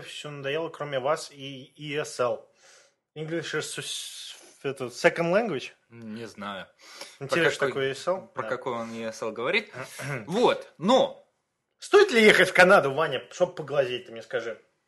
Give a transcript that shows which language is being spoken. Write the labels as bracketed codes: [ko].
[ru] Все надоело, кроме вас и ESL. [en] English is second language? [ru] Не знаю. Интересно, что такое ESL? Про какой он ESL говорит. Вот, но... Стоит ли ехать в Канаду, Ваня, чтобы поглазеть, ты мне скажи?